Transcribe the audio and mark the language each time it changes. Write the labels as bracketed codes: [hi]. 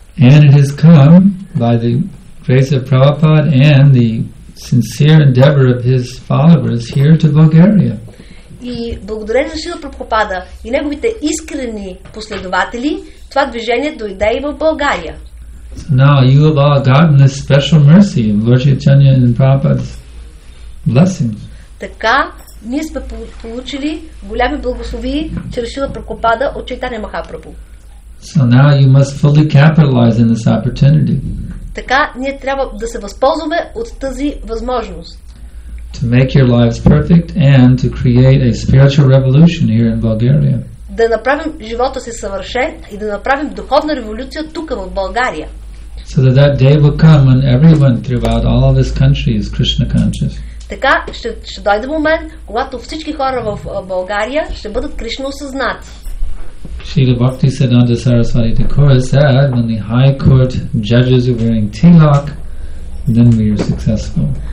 [en] And it has come by the grace of Prabhupada and the sincere endeavor of his followers here to Bulgaria. [bg] И благодарение на Шрила Прабхупада и неговите искрени последователи, това движение дойде и в България. [en] So now you have all gotten this special mercy of Lord Chaitanya and Prabhupada's blessings. [bg] Така, ние сме получили големи благословии чрез Шрила Прабхупада от Чайтанья Махапрабху. [en] So now you must fully capitalize on this opportunity. [bg] Така, ние трябва да се възползваме от тази възможност. [en] To make your lives perfect and to create a spiritual revolution here in Bulgaria. [bg] Да направим живота си съвършен и да направим духовна революция тук в България. [en] So that day will come when everyone throughout all of this country is Krishna conscious. [bg] Така, ще дойде момент, когато всички хора в България ще бъдат Кришна осъзнати. [en] Srila Bhakti Siddhanta Saraswati Thakura said, when the high court judges are wearing tilak, then we are successful.